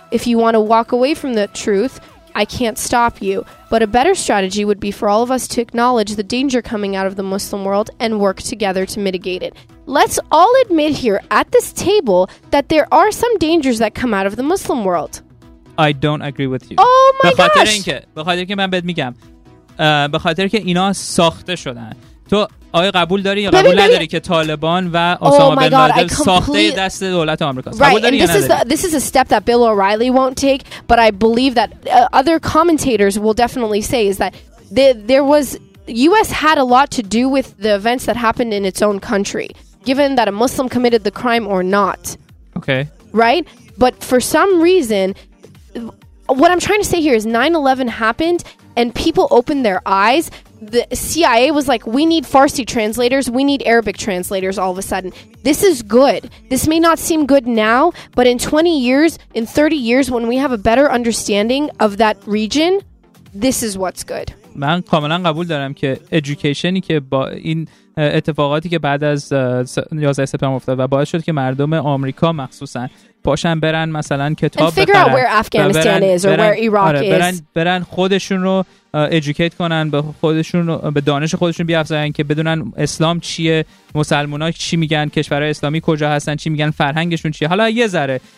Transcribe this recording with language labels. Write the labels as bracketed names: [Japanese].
[English] If you want to walk away from the truth, I can't stop you. But a better strategy would be for all of us to acknowledge the danger coming out of the Muslim world and work together to mitigate it. Let's all admit here at this table that there are some dangers that come out of the Muslim world. I don't agree with you. Oh my gosh. [Persian] به خاطر اینکه من بهت میگم به خاطر که اینا ساخته شدن. تو آیا قبول داری یا قبول نداری که طالبان و اسامه بن لادن ساخته دست دولت آمریکا است؟ قبول داری یا نداری؟ [English] This is a step that Bill O'Reilly won't take, but I believe that other commentators will definitely say is that there was U.S. had a lot to do with the events that happened in its own country, given that a Muslim committed the crime or not. Okay. Right? But for some reason, what I'm trying to say here is 9/11 happened and people opened their eyes. The CIA was like, we need Farsi translators. We need Arabic translators all of a sudden. This is good. This may not seem good now, but in 20 years, in 30 years, when we have a better understanding of that region, this is what's good. [Persian] من کاملا قبول دارم که ادویکیشنی که با این اتفاقاتی که بعد از 11 سپتامبر افتاد و باعث شد که مردم آمریکا مخصوصا پاشن برن مثلا کتاب بخرن و برن خودشون رو ادویکیت کنن، به خودشون به دانش خودشون بیافزاین که بدونن اسلام چیه، مسلمان ها چی میگن، کشورهای اسلامی کجا هستن، چی میگن، فرهنگشون چیه. حالا یه ذره